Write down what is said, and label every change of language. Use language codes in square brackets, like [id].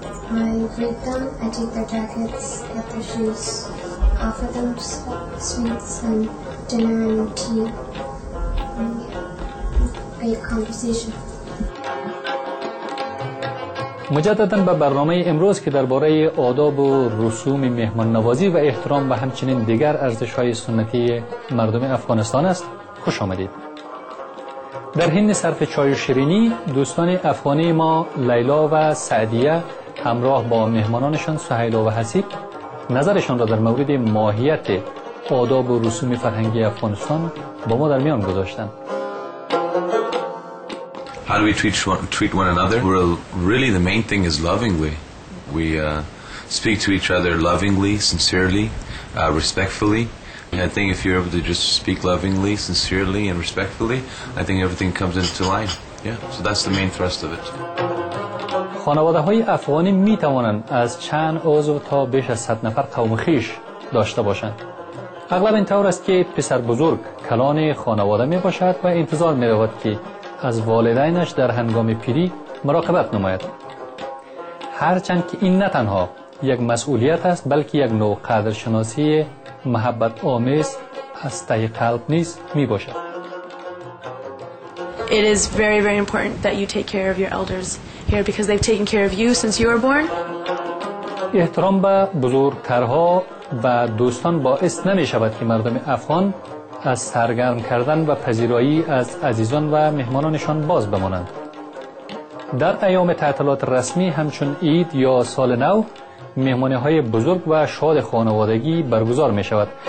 [en] I greet them, I take their jackets, get their shoes, offer them sweets and dinner and tea, and great conversation. [fa] مجدداً به برنامه امروز که درباره آداب و رسوم مهمان نوازی و احترام و همچنین دیگر ارزش‌های سنتی مردم افغانستان است، خوش آمدید. در حین صرف چای و شیرینی، دوستان افغانی ما لیلا و سعدیه همراه با مهمانانشان سهیلا و حسیب نظرشان را در مورد ماهیت آداب و رسوم فرهنگی افغانستان با ما در میان گذاشتند. [en] How do we treat one another? Really, the main thing is lovingly. We speak to each other lovingly, sincerely, respectfully. I think if you're able to just speak lovingly, sincerely, and respectfully, I think everything comes into line. Yeah, so that's the main thrust of it. [fa] خانواده‌های افغانی می‌توانند از چند عضو تا بیش از 100 نفر قوم خویش داشته باشند. اغلب این طور است که پسر بزرگ کلان خانواده می‌باشد و انتظار می‌رود که از والدینش در هنگام پیری مراقبت نماید. هرچند که این نه تنها یک مسئولیت است، بلکه یک نوع قدرشناسی محبت آمیز از ته قلب نیز می باشد. [en] It is very very important that you take care of your elders here because they've taken care of you since you were born. [fa] احترام به بزرگترها و دوستان باعث نمی شود که مردم افغان از سرگرم کردن و پذیرایی از عزیزان و مهمانانشان باز بمانند. در ایام تعطیلات رسمی همچون عید یا سال نو، مهمانی‌های بزرگ و شاد خانوادگی برگزار می‌شود.